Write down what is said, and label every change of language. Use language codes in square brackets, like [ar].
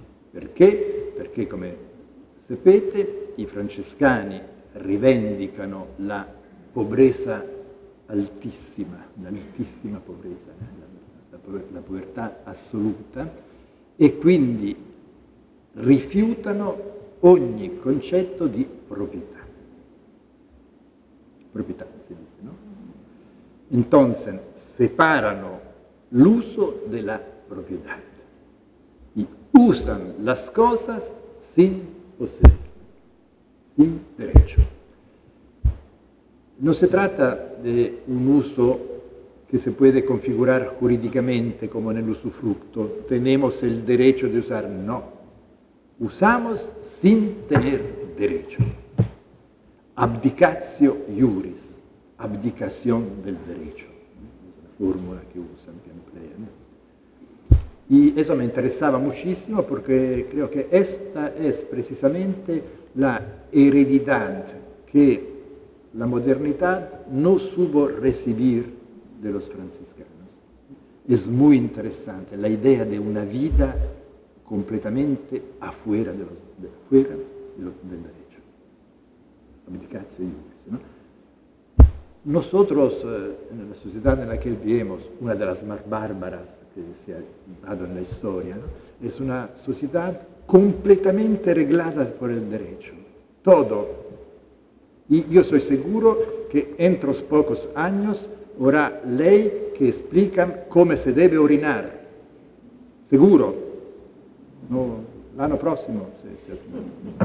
[it] Perché? Perché, come sapete, i francescani rivendicano la pobresa altissima, l'altissima pobresa, la povertà assoluta, e quindi rifiutano ogni concetto di proprietà. Proprietà. Entonces, separano l'uso della proprietà. [es] E usan las cosas sin poseer, sin derecho. [it] Non si tratta di un uso che si può configurare giuridicamente come nell'usufructo. [es] Tenemos el derecho de usar. No. Usamos sin tener derecho. [la] Abdicatio iuris. [es] Abdicación del derecho, [it] questa è la formula che usa anche in play. E questo mi interessava moltissimo perché credo che questa è precisamente la eredità che la modernità non [es] supo recibir de los franciscanos. [it] È molto interessante la idea di una vita completamente [es] afuera del derecho. [la] Abdicatio iuris, no? [es] Nosotros, en la sociedad en la que vivimos, una de las más bárbaras [it] se vado nella storia, [es] no? Es una sociedad completamente reglada por el derecho. Todo. Yo soy seguro que entre los pocos años habrá ley que explica cómo se debe orinar. Seguro. [it] No, l'anno prossimo, se si aspetta.